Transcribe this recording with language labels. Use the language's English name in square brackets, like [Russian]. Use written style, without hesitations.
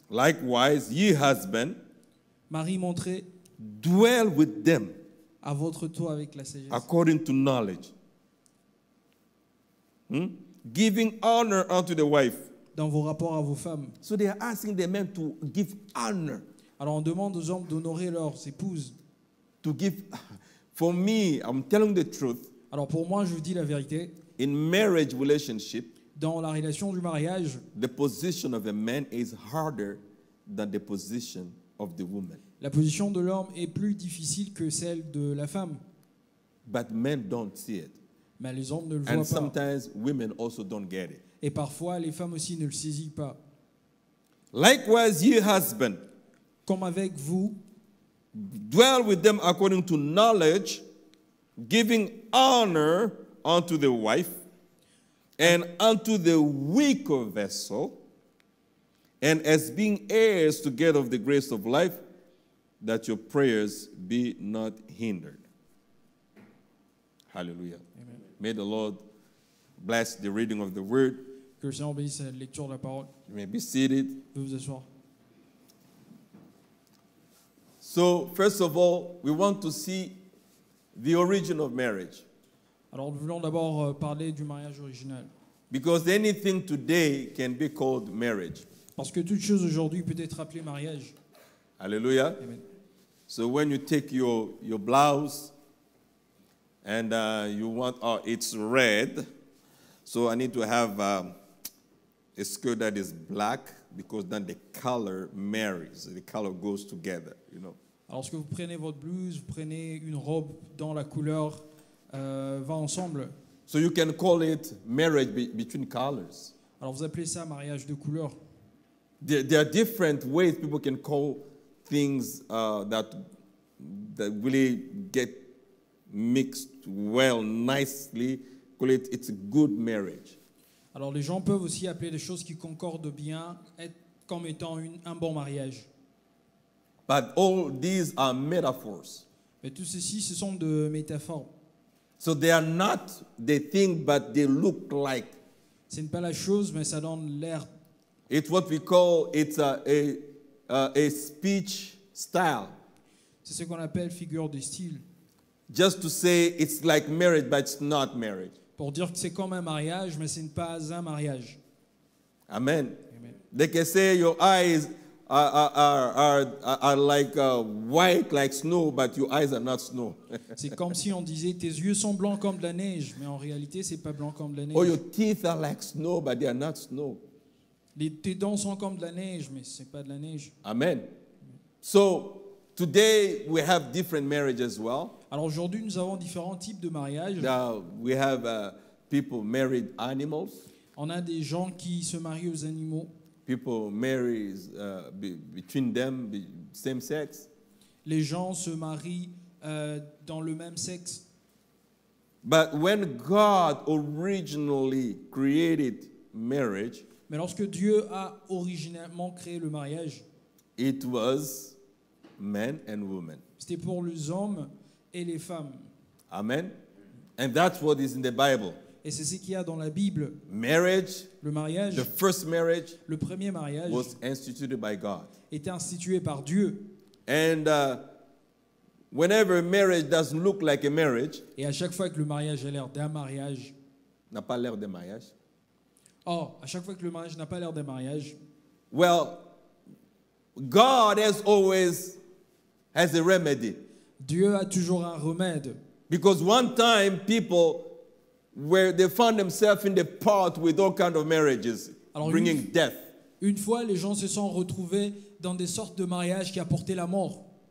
[English] Likewise, ye husband, [French] Marie montrée, [English] dwell with them, [French] à votre tour avec la sagesse, [English] according to knowledge, giving honor unto the wife, [French] dans vos rapports à vos femmes. [English] So they are asking the men to give honor. [French] Alors on demande aux hommes d'honorer leurs épouses. [English] To give, for me, I'm telling the truth. [French] Alors pour moi, je dis la vérité. [English] In marriage relationship, [French] dans la relation du mariage, [English] the position of a man is harder than the position of the woman. [French] La position de l'homme est plus difficile que celle de la femme. [English] But men don't see it. [French] Mais les hommes ne le [English] and [French] voient [English] sometimes [French] pas. [English] Women also don't get it. [French] Et parfois les femmes aussi ne le saisissent pas. [English] Likewise, ye husband, [French] comme avec vous, [English] dwell with them according to knowledge, giving honor unto the wife and unto the weaker vessel, and as being heirs together of the grace of life, that your prayers be not hindered. Hallelujah. Amen. May the Lord bless the reading of the word. [French] Que le Seigneur bénisse la lecture de la parole. [English] You may be seated. [French] Vous vous asseoir. [English] So, first of all, we want to see the origin of marriage. [French] Alors, nous voulons d'abord parler du mariage original. [English] Because anything today can be called marriage. [French] Parce que toute chose aujourd'hui peut être appelée mariage. [English] Hallelujah. Amen. So when you take your blouse and you want, oh, it's red, so I need to have a skirt that is black, because then the color marries, the color goes together, you know. [French] Alors, que vous prenez votre blouse, vous prenez une robe dont la couleur va ensemble. [English] So you can call it marriage between colors. [French] Alors, vous appelez ça mariage de couleur. [English] There are different ways people can call things that really get mixed well, nicely, call it, it's a good marriage. [French] Alors les gens peuvent aussi appeler les choses qui concordent bien être comme étant un bon mariage. [English] But all these are metaphors. [French] Mais tout ceci, ce sont de métaphores. [English] So they are not the thing, but they look like. [French] Ce n'est pas la chose, mais ça donne l'air. [English] It's what we call, it's a speech style. [French] C'est ce qu'on appelle figure de style. [English] Just to say it's like marriage, but it's not marriage. [French] Pour dire que c'est comme un mariage, mais ce n'est pas un mariage. [English] Amen. Amen. They can say your eyes are like white like snow, but your eyes are not snow. [French] C'est comme si on disait tes yeux sont blancs comme de la neige, mais en réalité c'est pas blanc comme de la neige. [English] Or your teeth are like snow, but they are not snow. [French] Les tes dents sont comme de la neige, mais c'est pas de la neige. [English] Amen. So today we have different marriage as well. [French] Alors aujourd'hui nous avons différents types de mariages. [English] We have people married animals. [French] On a des gens qui se marient aux animaux. [English] People marry between them same sex. [French] Les gens se marient dans le même sexe. [English] But when God originally created marriage, [French] mais lorsque Dieu a originellement créé le mariage, [English] it was men and women. [French] C'était pour les hommes et les femmes. [English] Amen. And that's what is in the Bible. [French] Et c'est ce qu'il y a dans la Bible. [English] Marriage, [French] le mariage, [English] the first marriage, [French] le premier mariage, [English] was instituted by God. [French] Était institué par Dieu. [English] And whenever marriage doesn't look like a marriage, [French] et à chaque fois que le mariage a l'air d'un mariage, n'a pas l'air d'un mariage. Oh, à chaque fois que le mariage n'a pas l'air d'un mariage. [English] Well, God has always has a remedy. [French] Dieu a toujours un remède. [English] Because one time people where they found themselves in the pot with all kinds of marriages, [French] alors [English] bringing death. [French] Une fois, les gens se sont retrouvés dans des sortes de mariages qui apportaient la mort.